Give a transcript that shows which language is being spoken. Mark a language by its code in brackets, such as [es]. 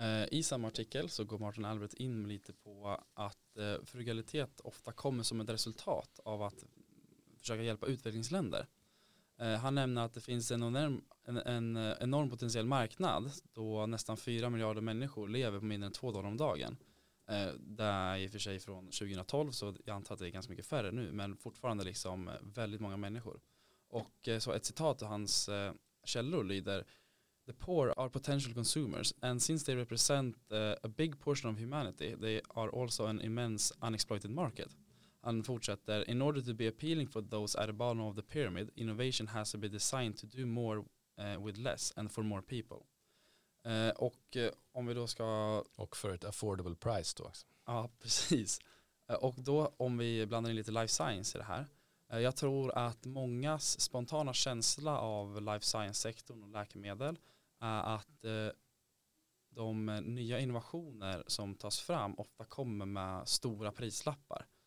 [sv] I samma artikel så går Martin Albert in lite på att frugalitet ofta kommer som ett resultat av att försöka hjälpa utvecklingsländer. Han nämner att det finns en enorm potentiell marknad då nästan 4 miljarder människor lever på mindre än $2 om dagen. Det är i och för sig från 2012, så jag antar att det är ganska mycket färre nu, men fortfarande liksom väldigt många människor. Och så ett citat av hans källor lyder: [en] "The poor are potential consumers, and since they represent a big portion of humanity, they are also an immense unexploited market." [sv] Han fortsätter: [en] "In order to be appealing for those at the bottom of the pyramid, innovation has to be designed to do more with less and for more people." [sv] Och om vi då ska... Och för ett affordable price då också. Ja, precis. Och då om vi blandar in lite life science i det här. Jag tror att mångas spontana känsla av life science-sektorn och läkemedel är att de nya innovationer som tas fram ofta kommer med stora prislappar.